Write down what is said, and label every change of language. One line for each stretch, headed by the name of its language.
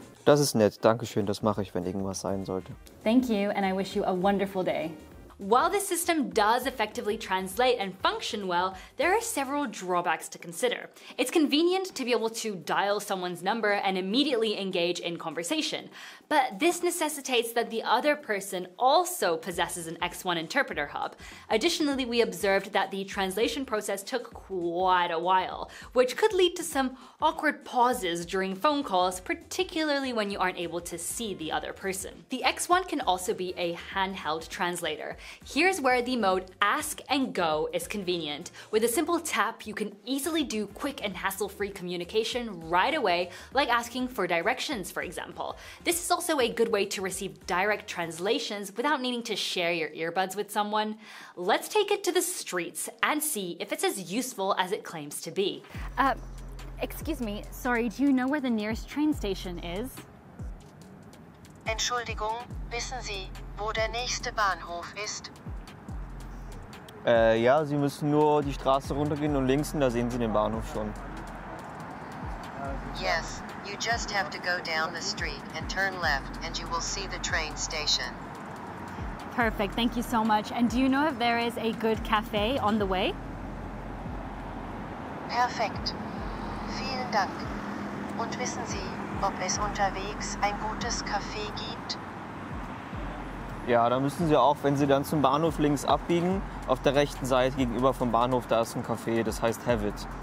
German: Das ist nett. Dankeschön. Das mache ich, wenn irgendwas sein sollte.
English: Thank you, and I wish you a wonderful day. While this system does effectively translate and function well, there are several drawbacks to consider. It's convenient to be able to dial someone's number and immediately engage in conversation, but this necessitates that the other person also possesses an X1 interpreter hub. Additionally, we observed that the translation process took quite a while, which could lead to some awkward pauses during phone calls, particularly when you aren't able to see the other person. The X1 can also be a handheld translator. Here's where the mode Ask and Go is convenient. With a simple tap, you can easily do quick and hassle-free communication right away, like asking for directions, for example. This is also a good way to receive direct translations without needing to share your earbuds with someone. Let's take it to the streets and see if it's as useful as it claims to be. Excuse me, sorry, do you know where the nearest train station is?
German: Entschuldigung, wissen Sie, wo der nächste Bahnhof ist? Ja, Sie müssen nur die Straße runtergehen und links, und da sehen Sie den Bahnhof schon.
English: Yes, you just have to go down the street and turn left and you will see the train station. Perfect, thank you so much. And do you know if there is a good cafe on the way?
German: Perfect. Vielen Dank. Und wissen Sie, ob es unterwegs ein gutes Café gibt? Ja, da müssen Sie auch, wenn Sie dann zum Bahnhof links abbiegen, auf der rechten Seite gegenüber vom Bahnhof, da ist ein Café, das heißt Havit.